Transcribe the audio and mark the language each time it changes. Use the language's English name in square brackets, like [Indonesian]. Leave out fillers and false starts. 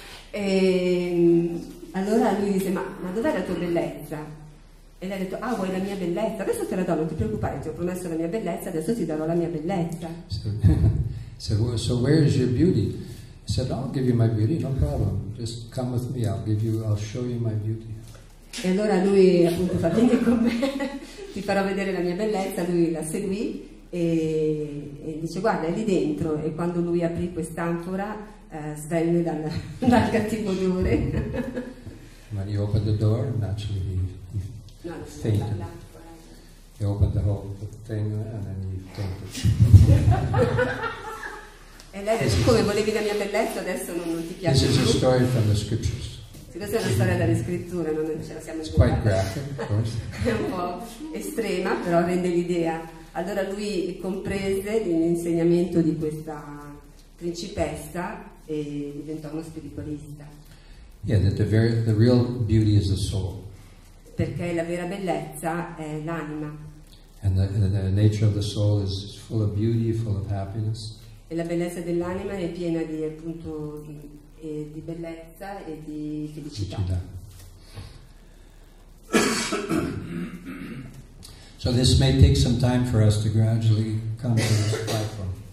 [Italian] E allora lui dice, ma dov'è la tua bellezza? E lei ha detto, ah, vuoi la mia bellezza? Adesso te la do, non ti preoccupare, ti ho promesso la mia bellezza, adesso ti darò la mia bellezza. [English] So where is your beauty? He said, I'll give you my beauty, no problem. Just come with me, I'll show you my beauty. [Italian] E allora lui appunto fa, vieni con me. Ti farò vedere la mia bellezza, lui la seguì e dice guarda è lì dentro e quando lui aprì quest'anfora svenne dal cattivo odore. [English] When he opened the door, naturally fainted. He opened the whole thing and then he fainted. [Italian] E lei dice come volevi la mia bellezza adesso non ti piace. [English] This is a story from the scriptures. [Italian] Sì, questa è una storia della riscrittura, non ce la siamo scordata. È un po' estrema, però rende l'idea. Allora lui comprese l'insegnamento di questa principessa e diventò uno spiritualista. [English] Yeah, that the real beauty is the soul. [Italian] Perché la vera bellezza è l'anima. [English] And the nature of the soul is full of beauty, full of happiness. [Italian] E la bellezza dell'anima è piena di, appunto, di bellezza e di felicità. [English] So this may take some time for us to gradually come to this platform.